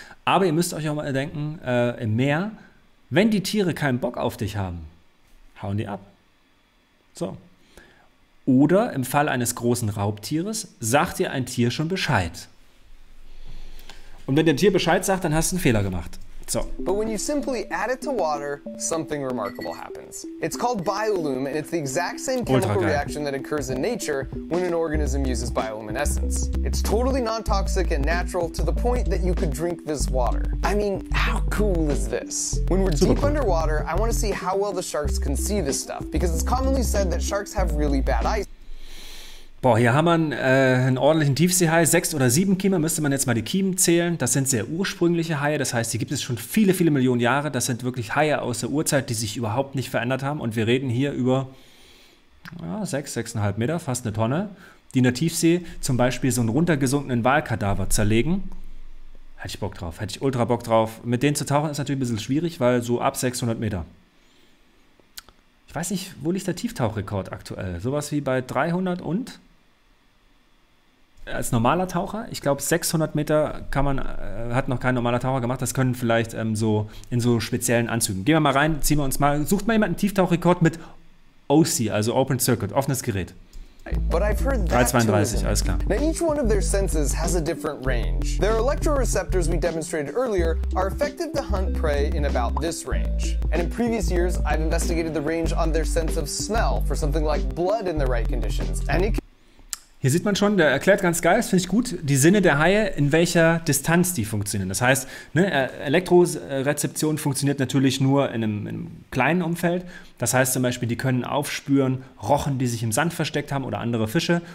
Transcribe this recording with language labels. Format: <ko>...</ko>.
<de>Aber ihr müsst euch auch mal denken, im Meer, wenn die Tiere keinen Bock auf dich haben, hauen die ab. So. Oder im Fall eines großen Raubtieres, sagt dir ein Tier schon Bescheid. Und wenn dein Tier Bescheid sagt, dann hast du einen Fehler gemacht. So.</de> <en>But when you simply add it to water, something remarkable happens. It's called biolume, and it's the exact same chemical reaction that occurs in nature when an organism uses bioluminescence. It's totally non-toxic and natural to the point that you could drink this water. I mean, how cool is this? When we're deep underwater, I want to see how well the sharks can see this stuff, because it's commonly said that sharks have really bad eyes.</en> <de>Boah, hier haben wir einen ordentlichen Tiefseehai, 6 oder 7 Kima, müsste man jetzt mal die Kiemen zählen. Das sind sehr ursprüngliche Haie, das heißt, die gibt es schon viele, viele Millionen Jahre. Das sind wirklich Haie aus der Urzeit, die sich überhaupt nicht verändert haben. Und wir reden hier über 6,5 Meter, fast eine Tonne, die in der Tiefsee zum Beispiel so einen runtergesunkenen Walkadaver zerlegen. Hätte ich Bock drauf, hätte ich ultra Bock drauf. Mit denen zu tauchen ist natürlich ein bisschen schwierig, weil so ab 600 Meter. Ich weiß nicht, wo liegt der Tieftauchrekord aktuell? Sowas wie bei 300 und... Als normaler Taucher, ich glaube 600 Meter kann man, hat noch kein normaler Taucher gemacht, das können vielleicht so in so speziellen Anzügen. Gehen wir mal rein, ziehen wir uns mal, sucht mal jemanden einen Tieftauchrekord mit OC, also Open Circuit, offenes Gerät.</de> <en>But I've heard that</en> <de>3:32, alles klar.</de> <en>Now each one of their senses has a different range. Their electroreceptors we demonstrated earlier are effective to hunt prey in about this range. And in previous years, I've investigated the range on their sense of smell for something like blood in the right conditions. And it can...</en> <de>Hier sieht man schon, der erklärt ganz geil, das finde ich gut, die Sinne der Haie, in welcher Distanz die funktionieren. Das heißt, ne, Elektrorezeption funktioniert natürlich nur in einem kleinen Umfeld. Das heißt zum Beispiel, die können aufspüren Rochen, die sich im Sand versteckt haben oder andere Fische.</de>